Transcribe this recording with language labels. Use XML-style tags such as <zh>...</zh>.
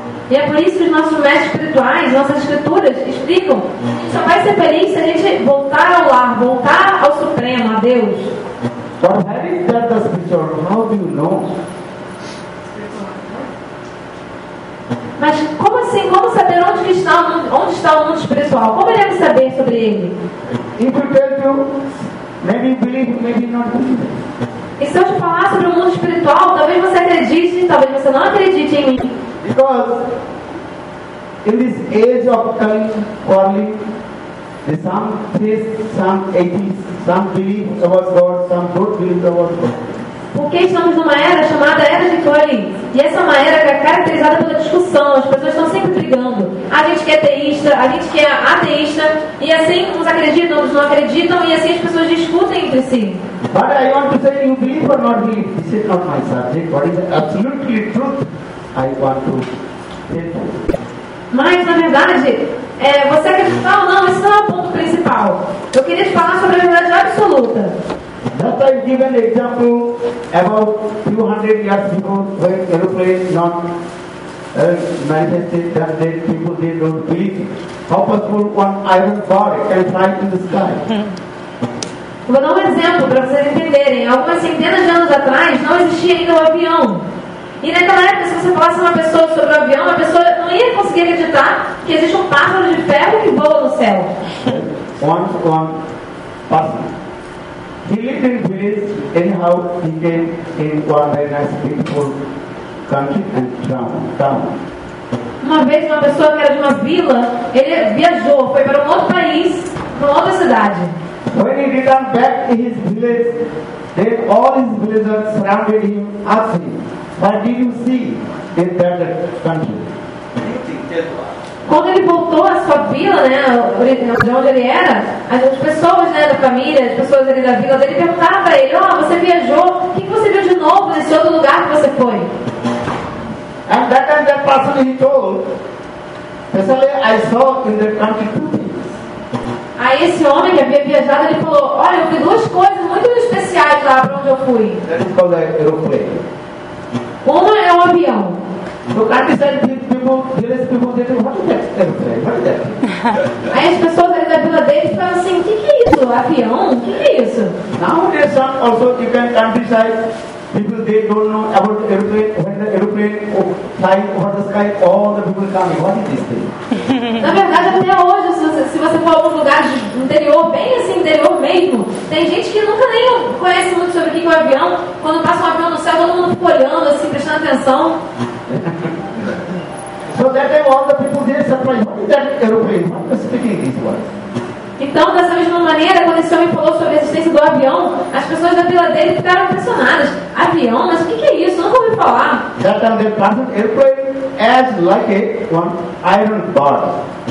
<pt>E é por isso que os nossos mestres espirituais, nossas escrituras, explicam que só vai ser feliz se a gente voltar ao lar, voltar ao Supremo, a Deus.</pt> <en>But having that the spiritual, how do you know?</en> <pt>Mas como assim? Como saber onde está o mundo espiritual? Como ele deve saber sobre ele?</pt> <en>If you tell you, maybe believe, maybe not believe.</en> <pt>E se eu te falar sobre o mundo espiritual, talvez você acredite, talvez você não acredite em mim.</pt> <en>Because in this age of Kali, Kali, some theists, some atheists, some believe about God, some don't believe about God.</en> <pt>Porque estamos numa era chamada Era de Kali. E essa é uma era que é caracterizada pela discussão. As pessoas estão sempre brigando. A gente que é teísta, a gente que é ateísta. E assim uns acreditam, outros não acreditam. E assim as pessoas discutem entre si.</pt> <en>But I want to say, you believe or not believe, this is not my subject. What is absolutely truth, I want to tell you.</en> <pt>Mas, na verdade, você acredita ou não, esse não é o ponto principal. Eu queria te falar sobre a verdade absoluta.</pt> <en>Just I give an example about few hundred years before when aeroplane not manifested, that then people they don't believe. How possible one iron bar can fly in the sky?</en> <pt>Vou dar um exemplo para vocês entenderem. Algumas centenas de anos atrás não existia ainda o avião. E naquela época, se você falasse a uma pessoa sobre o avião, a pessoa não ia conseguir acreditar que existe um pássaro de ferro que voa no céu.</pt> <en>One pássaro. He lived in village, anyhow he came in one very nice beautiful country and town.</en> <pt>Uma vez uma pessoa que era de uma vila, ele viajou, foi para um outro país, para outra cidade.</pt> <en>When he returned back to his village, then all his villagers surrounded him, asked him, what did you see in that country?</en> <pt>Quando ele voltou à sua vila, né, de onde ele era, as pessoas, né, da família, as pessoas ali da vila dele perguntaram para ele, oh, você viajou, o que você viu de novo nesse outro lugar que você foi?</pt> <en>And that time that person he told, he said, I saw in the country two things.</en> <pt>Aí esse homem que havia viajado, ele falou, olha, eu vi duas coisas muito especiais lá para onde eu fui.</pt> <en>That is called an aeroplane.</en> <pt>Uma é um avião.</pt> <en>So that is that people,</en> <pt>aí as pessoas ali da vila deles falam assim, que é isso? Avião? Que é isso?</pt> <en>Nowadays some also you can countryside, people they don't know about aeroplane, when the aeroplane fly over the sky, all the people come. What is this thing?</en> <pt>Na verdade, até hoje, se você for a algum lugar de interior, bem assim, interior mesmo, tem gente que nunca nem conhece muito sobre o que é o avião. Quando passa um avião no céu, todo mundo fica olhando, assim, prestando atenção.</pt> <en>So that time all the people there surprised. What is that aeroplane? What is speaking these words?</en> <pt>Então, dessa mesma maneira, quando esse homem falou sobre a existência do avião, as pessoas da vila dele ficaram impressionadas. Avião? Mas o que é isso? Nunca ouvi falar.</pt> <en>That time they passed the aeroplane as like an iron bar.</en>